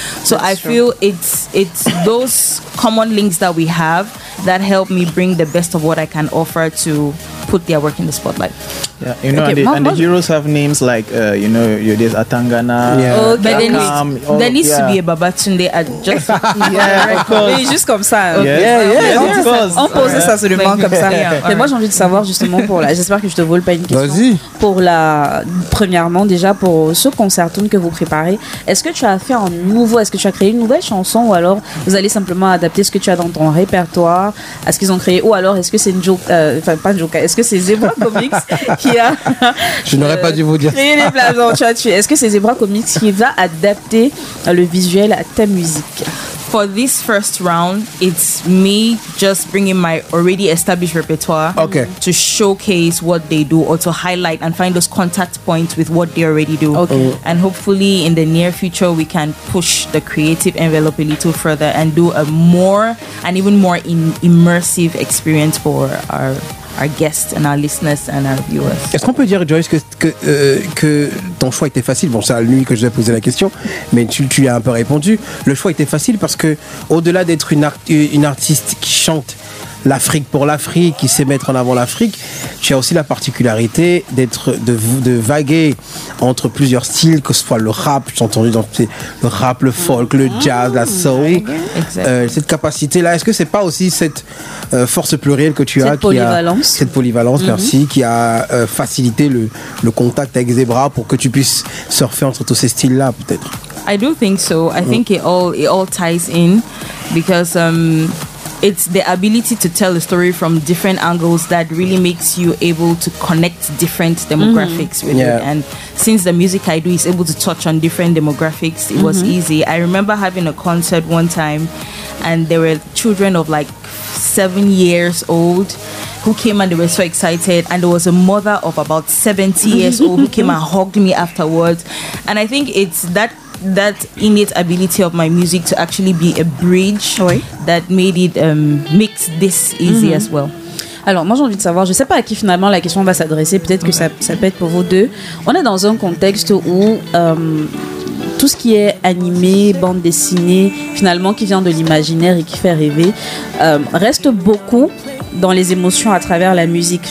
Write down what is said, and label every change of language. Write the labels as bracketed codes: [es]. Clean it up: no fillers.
[en] So that's feel it's those common links that we have that help me bring the best of what I can offer to put their work in the spotlight. You know, okay, and the heroes have names like you know, there's Atangana, but then there needs to be a Babatunde just [fr] juste comme ça. [en] Yeah, [fr] on pose ça sur le banc comme ça. Mais moi, j'ai envie de savoir justement pour la, j'espère que je te vole pas une question. Vas-y. Pour la, premièrement, déjà pour ce concert que vous préparez, est-ce que tu as fait un nouveau, est-ce que tu as créé une nouvelle chanson ou alors vous allez simplement adapter ce que tu as dans ton répertoire à ce qu'ils ont créé, ou alors est-ce que c'est une joke, enfin pas une joke, est-ce que c'est Zebra Comics qui a, je n'aurais pas dû vous dire, créé les plans, tu vois, tu, est-ce que c'est Zebra Comics qui va adapter le visuel à ta musique? [en] For this first round, it's me just bringing my already established repertoire to showcase what they do or to highlight and find those contact points with what they already do. And hopefully in the near future, we can push the creative envelope a little further and do a more and even more immersive experience for our guests and our listeners and our viewers. [fr] Est-ce qu'on peut dire, Joyce, que ton choix était facile? Bon, c'est à lui que je vais poser la question, mais tu as un peu répondu. Le choix était facile parce que au-delà d'être une artiste qui chante l'Afrique pour l'Afrique, qui sait mettre en avant l'Afrique. Tu as aussi la particularité d'être, de vaguer entre plusieurs styles, que ce soit le rap, j'ai entendu dans le rap, le folk, le jazz, la soul. [en] Exactly. [fr] Cette capacité-là, est-ce que c'est pas aussi cette force plurielle que tu as, cette polyvalence, qui a, cette polyvalence, mm-hmm. merci, qui a facilité le contact avec Zebra pour que tu puisses surfer entre tous ces styles-là, peut-être? [en] I do think so. I think it all ties in because it's the ability to tell a story from different angles that really makes you able to connect different demographics with it. And since the music I do is able to touch on different demographics, it was easy. I remember having a concert one time and there were children of like 7 years old who came and they were so excited, and there was a mother of about 70 years old who came and hugged me afterwards. And I think it's that innate ability of my music to actually be a bridge that made it make this easy as well. [fr] Alors moi j'ai envie de savoir, je sais pas à qui finalement la question va s'adresser, peut-être que ça peut être pour vous deux. On est dans un contexte où tout ce qui est animé, bande dessinée, finalement qui vient de l'imaginaire et qui fait rêver, reste beaucoup dans les émotions à travers la musique.